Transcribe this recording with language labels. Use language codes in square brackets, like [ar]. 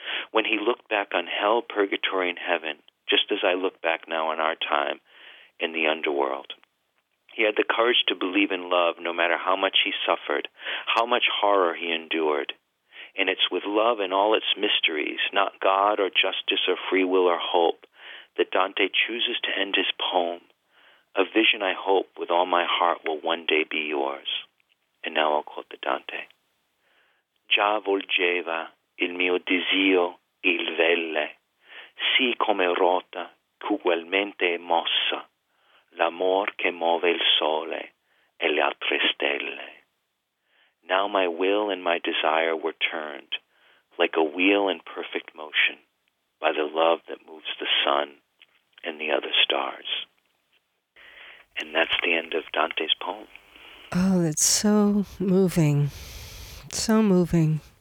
[en] When he looked back on hell, purgatory, and heaven, just as I look back now on our time in the underworld, he had the courage to believe in love no matter how much he suffered, how much horror he endured. And it's with love and all its mysteries, not God or justice or free will or hope, that Dante chooses to end his poem, a vision I hope with all my heart will one day be yours. And now I'll quote the Dante. [it] Già volgeva il mio desio il velle, sì come rota ugualmente mossa, l'amor che muove il sole e le altre stelle. [en] Now my will and my desire were turned like a wheel in perfect motion by the love that moves the sun and the other stars. And that's the end of Dante's poem. Oh, that's so moving. So moving.